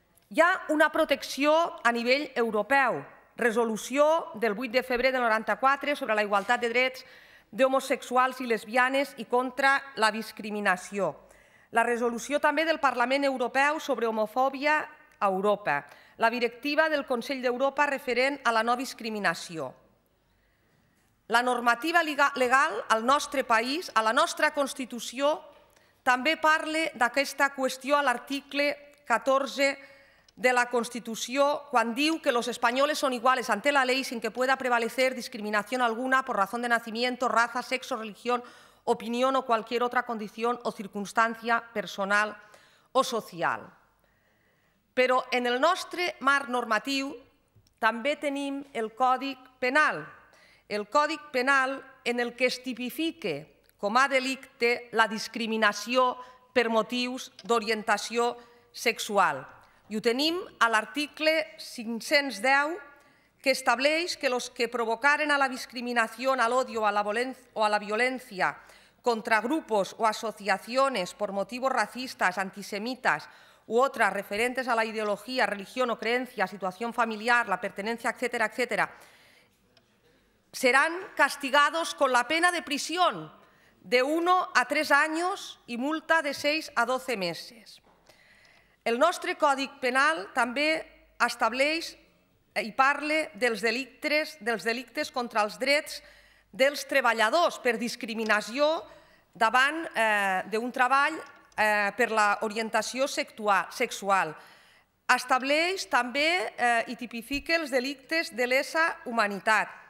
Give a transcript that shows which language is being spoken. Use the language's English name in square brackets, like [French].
[Catalan] Hi ha una protecció a nivell europeu, resolució del 8 de febrer del 94 sobre la igualtat de drets d'homosexuals i lesbianes i contra la discriminació. La resolució també del Parlament Europeu sobre homofòbia a Europa. La directiva del Consell d'Europa referent a la no discriminació. La normativa legal al nostre país, a la nostra Constitució, també parla d'aquesta qüestió a l'article 14 de la Constitució quan diu que [Spanish] los españoles son iguales ante la ley sin que pueda prevalecer discriminación alguna por razón de nacimiento, raza, sexo, religión, opinión o cualquier otra condición o circunstancia personal o social. [Catalan] Però en el nostre marc normatiu també tenim el Còdic Penal, el Còdic Penal en el que es tipifica com a delicte la discriminació per motius d'orientació sexual. I ho tenim a l'article 510, que estableix que [Spanish] los que provocaren a la discriminación, al odio o a la violencia contra grupos o asociaciones por motivos racistas, antisemitas u otras referentes a la ideología, religión o creencia, situación familiar, la pertenencia, etcétera, etcétera, serán castigados con la pena de prisión de 1 a 3 años y multa de 6 a 12 meses. [Catalan] El nostre Còdic Penal també estableix i parla dels delictes contra els drets dels treballadors per discriminació davant d'un treball per l'orientació sexual. Estableix també i tipifica els delictes de lesa humanitat.